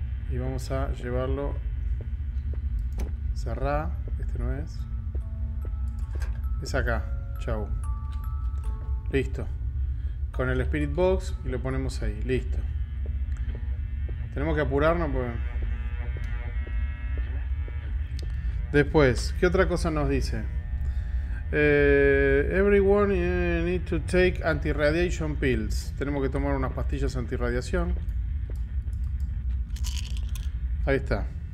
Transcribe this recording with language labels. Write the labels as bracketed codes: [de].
[es] Y vamos a llevarlo. Cerrá. Este no es. Es acá. Chau. Listo. Con el Spirit Box y lo ponemos ahí. Listo. Tenemos que apurarnos porque... Después, ¿qué otra cosa nos dice? [en] Everyone need to take anti-radiation pills. [es] Tenemos que tomar unas pastillas anti-radiación. Ahí está.